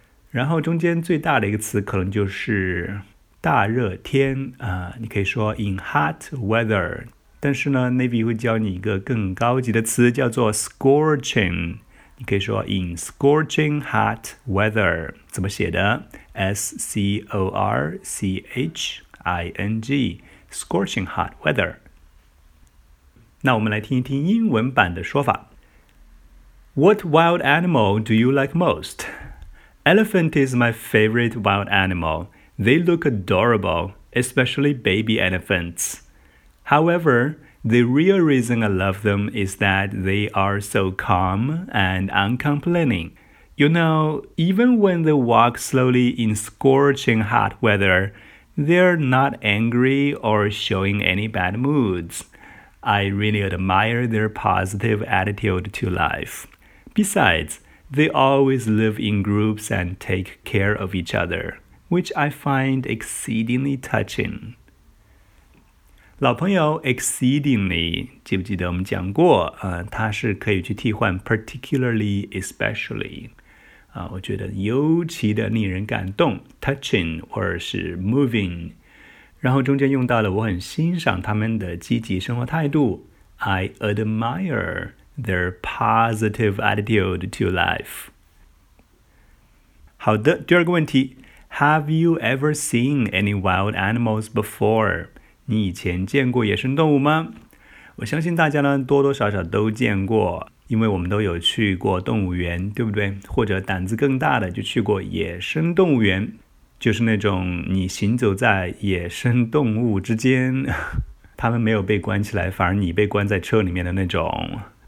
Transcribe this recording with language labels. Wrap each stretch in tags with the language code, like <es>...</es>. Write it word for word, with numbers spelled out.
<zh>然后中间最大的一个词可能就是大热天、呃、你可以说</zh> <en>in hot weather，</en> <zh>但是呢 Navy 会教你一个更高级的词叫做 scorching， 你可以说</zh> <en>in scorching hot weather，</en> <zh>怎么写的 S C O R C H I N G</zh> <en>scorching hot weather。</en> <zh>那我们来听一听英文版的说法。</zh> <en>What wild animal do you like most? Elephant is my favorite wild animal. They look adorable, especially baby elephants. However, the real reason I love them is that they are so calm and uncomplaining. You know, even when they walk slowly in scorching hot weather, they're not angry or showing any bad moods. I really admire their positive attitude to life. Besides, they always live in groups and take care of each other. Which I find exceedingly touching.</en> <zh>老朋友 exceedingly 记不记得我们讲过、呃、它是可以去替换</zh> <en>particularly especially、</en> <zh>呃、我觉得尤其的令人感动 touching 或者是 moving， 然后中间用到了我很欣赏他们的积极生活态度</zh> <en>I admire their positive attitude to life。</en> <zh>好的，第二个问题</zh> <en>Have you ever seen any wild animals before?</en> <zh>你以前见过野生动物吗？我相信大家呢多多少少都见过，因为我们都有去过动物园，对不对？或者胆子更大的就去过野生动物园，就是那种你行走在野生动物之间，他们没有被关起来，反而你被关在车里面的那种。</zh>